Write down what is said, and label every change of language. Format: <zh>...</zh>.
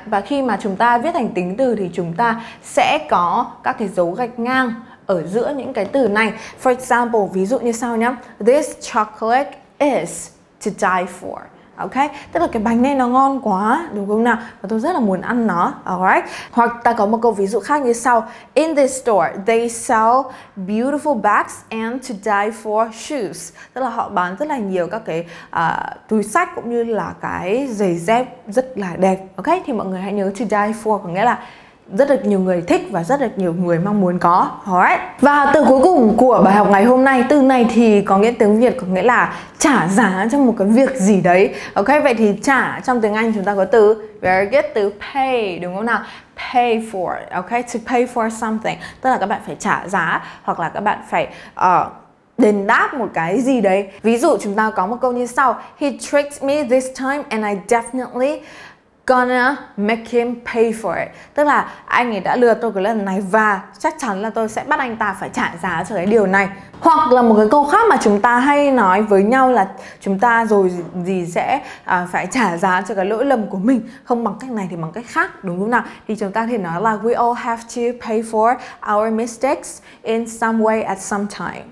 <vi>Và khi mà chúng ta viết thành tính từ thì chúng ta sẽ có các cái dấu gạch ngang ở giữa những cái từ này.</vi> <en>For example,</en> <vi>ví dụ như sau nhá.</vi> <en>This chocolate is to die for.</en> <vi>Ok, tức là cái bánh này nó ngon quá, đúng không nào? Và tôi rất là muốn ăn nó. Alright. Hoặc ta có một câu ví dụ khác như sau.</vi> <en>In this store, they sell beautiful bags and to die for shoes.</en> <vi>Tức là họ bán rất là nhiều các cái túi sách cũng như là cái giày dép rất là đẹp. Ok, thì mọi người hãy nhớ to die for có nghĩa là rất được nhiều người thích và rất được nhiều người mong muốn có. Alright. Và từ cuối cùng của bài học ngày hôm nay, từ này thì có nghĩa tiếng Việt có nghĩa là trả giá cho một cái việc gì đấy. Ok, vậy thì trả trong tiếng Anh chúng ta có từ,</vi> <en>very good,</en> <vi>từ pay, đúng không nào? Pay for, ok, to pay for something. Tức là các bạn phải trả giá hoặc là các bạn phải đền đáp một cái gì đấy. Ví dụ chúng ta có một câu như sau.</vi> <en>He tricked me this time and I definitely gonna make him pay for it.</en> <vi>Tức là anh ấy đã lừa tôi cái lần này và chắc chắn là tôi sẽ bắt anh ta phải trả giá cho cái điều này. Hoặc là một cái câu khác mà chúng ta hay nói với nhau là chúng ta rồi gì sẽ phải trả giá cho cái lỗi lầm của mình, không bằng cách này thì bằng cách khác, đúng không nào? Thì chúng ta thì nói là</vi> <en>we all have to pay for our mistakes in some way at some time.</en>